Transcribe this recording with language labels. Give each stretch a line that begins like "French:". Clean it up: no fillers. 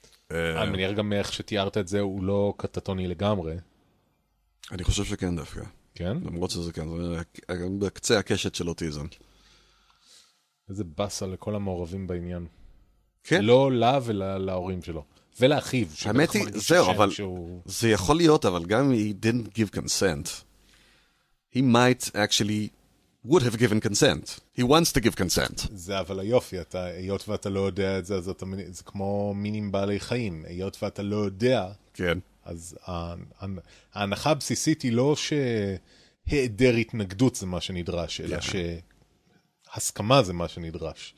Hebrew: אני מניח גם איך שתיארת את זה, הוא לא קטטוני לגמרי. אני חושב שכן דווקא. כן? למרות שזה כן, זה בקצה הקשת של אוטיזם. איזה בסה לכל המעורבים בעניין. כן? לא לה ולהורים שלו. ולאחיו. האמת היא, זהו, אבל שהוא... זה יכול להיות, אבל גם אם
English: he didn't give consent, he might actually would have given consent. He wants to give consent.
Hebrew: זה אבל היופי, אתה, היות ואתה לא יודע את זה, אז אתה, זה כמו מינים בעלי חיים. היות ואתה לא יודע, כן. אז ההנחה הבסיסית היא לא שהיעדר התנגדות זה מה שנדרש, אלא שהסכמה זה מה שנדרש.